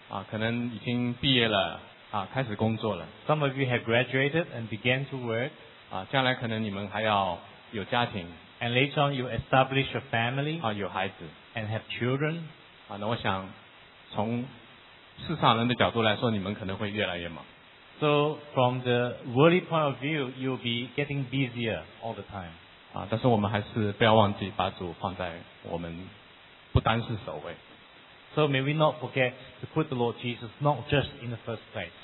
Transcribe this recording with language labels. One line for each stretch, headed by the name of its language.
Chinese: 可能已经毕业了开始工作了。
English: Some of you have graduated and began to work.
Chinese: 将来可能你们还要有家庭。
English: And later on you establish a family.
Chinese: 有孩子。
English: And have children.
Chinese: 那我想从市场人的角度来说，你们可能会越来越忙。
English: So from the worldly point of view, you'll be getting busier all the time.
Chinese: 但是我们还是不要忘记把主放在我们不单是首位。
English: So So may we not forget to put the Lord Jesus not just in the first place.